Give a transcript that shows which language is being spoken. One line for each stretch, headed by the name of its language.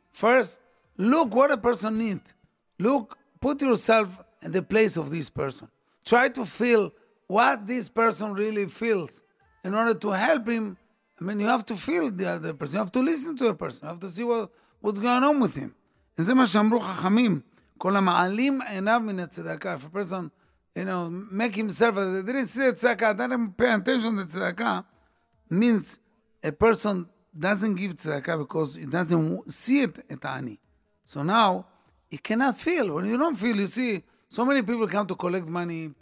English: First, look what a person needs. Look, put yourself in the place of this person. Try to feel what this person really feels in order to help him. I mean, you have to feel the other person. You have to listen to the person. You have to see what's going on with him.
Hebrew: And זה מה שאמרו חכמים, כל המעלים עיניו מן הצדקה.
English: If a person, you know, make himself, they didn't see the צדקה, they didn't pay attention to the צדקה, means a person doesn't give צדקה because he doesn't see it at any. So now, he cannot feel. When you don't feel, you see, so many people come to collect money.